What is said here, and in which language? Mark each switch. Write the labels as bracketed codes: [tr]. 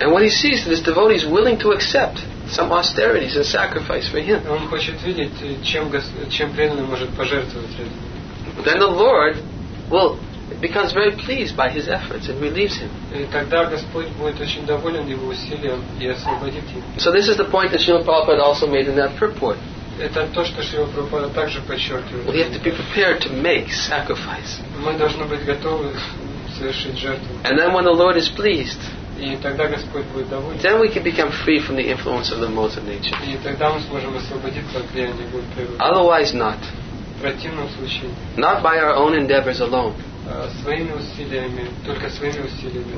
[en] And when he sees that his devotee is willing to accept some austerities and sacrifice for him. [ru] Он хочет видеть, чем преданный может пожертвовать ради него. [en] Then the Lord will becomes very pleased by his efforts and relieves him. [ru] И тогда Господь будет очень доволен его усилием и освободит его. [en] So this is the point that Śrīla Prabhupāda also made in that purport. [ru] Это то, что Śrīla Prabhupāda также подчеркивает. [en] We have to be prepared to make sacrifice. [ru] Мы должны быть готовы совершить жертву. [en] And then when the Lord is pleased, [ru] и тогда Господь будет доволен. [en] Then we can become free from the influence of the modes of nature. [ru] И тогда мы сможем освободиться от влияния будет природы. [en] Otherwise not. [ru] В противном случае. [en] Not by our own endeavors alone. [ru] Своими усилиями, только своими усилиями.